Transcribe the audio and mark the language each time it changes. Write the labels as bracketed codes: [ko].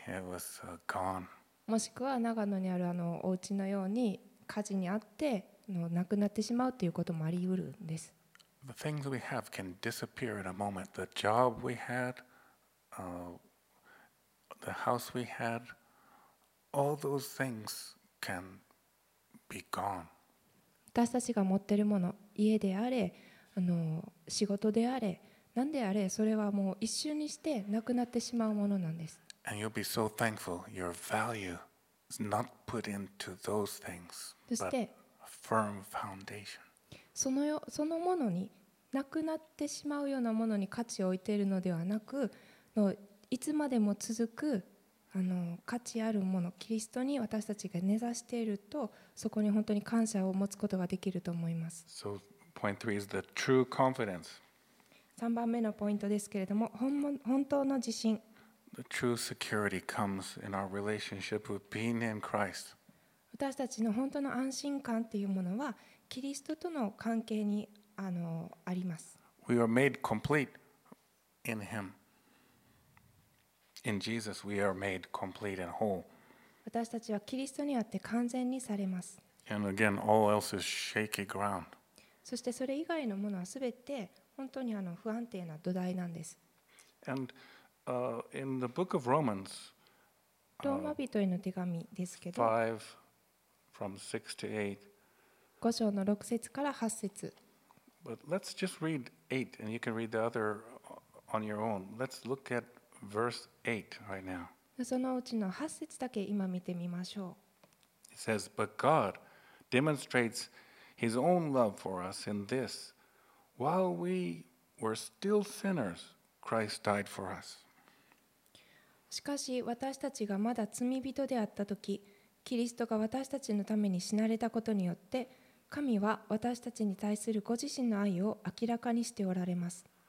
[en] It was gone. [ja] もしくは長野にあるあのお家のように火事にあってのなくなってしまうということもあり得るんです。 [en] The things we have can disappear in a moment. The job we had, the house we had, all those things can be gone. [ja] 私たちが持っているもの、家であれ、あの仕事であれ、何であれ、それはもう一瞬にしてなくなってしまうものなんです。 [en] And you'll be so thankful your value is not put into those things, but a firm foundation. [ja] そのものになくなってしまうようなものに価値を置いているのではなく、いつまでも続くあの価値あるもの、キリストに私たちが根ざしていると、そこに本当に感謝を持つことができると思います。 [en] So point three is the true confidence. [ja] 3番目のポイントですけれども、本当の自信。 [en] The true security comes in our relationship with being in Christ. [ja] 私たちの本当の安心感というものはキリストとの関係にあります。 [en] We are made complete in Him. In Jesus, we are made complete and whole. [ja] 私たちはキリストによって完全にされます。 [en] And again, all else is shaky ground. [ja] そしてそれ以外のものはすべて本当に不安定な土台なんです。 [en] And in the book of Romans, [ja] ローマ人への手紙ですけど、 [en] 5 from 6 to 8, [ja] 5章の6節から8節。 [en] But let's just read 8 and you can read the other on your own. Let's look at verse 8 right now. [ja] そのうちの8節だけ今見てみましょう。 [en] It says, But God demonstrates His own love for us in this. While we were still sinners, Christ died for us. [ja] しかし私たちがまだ罪人であったとき、キリストが私たちのために死なれたことによって、神は私たちに対するご自身の愛を明らかにしておられます。